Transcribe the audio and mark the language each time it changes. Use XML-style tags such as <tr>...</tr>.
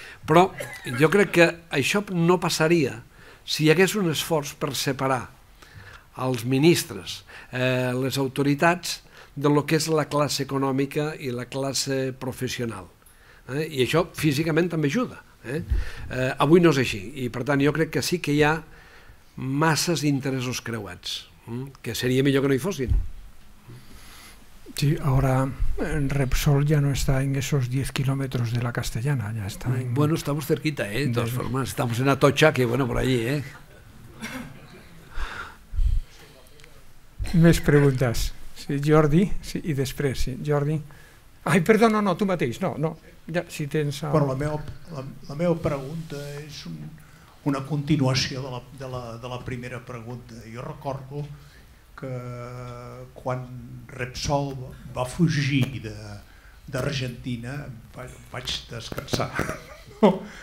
<ca>Però jo crec que això no passaria si hi hagués un esforç per separar els ministres, les autoritats, del que és la classe econòmica i la classe professional. I això físicament també ajuda. Avui no és així, i per tant jo crec que sí que hi ha masses interessos creuats, que seria millor que no hi fossin.</ca> <es>Sí, ahora Repsol ya no está en esos 10 kilómetros de la Castellana, ya está en... Bueno, estamos cerquita, ¿eh? De todas formas, estamos en Atocha, que bueno, por allí, ¿eh? Mis preguntas. Sí, Jordi, sí, y después, sí, Jordi. Ay, perdón,</es> <ca>no, tú mateix, no. Ja, si tens... Bueno, la meva pregunta és una continuació de la primera pregunta. Jo recordo que quan Repsol va fugir d'Argentina vaig descansar, no?</ca>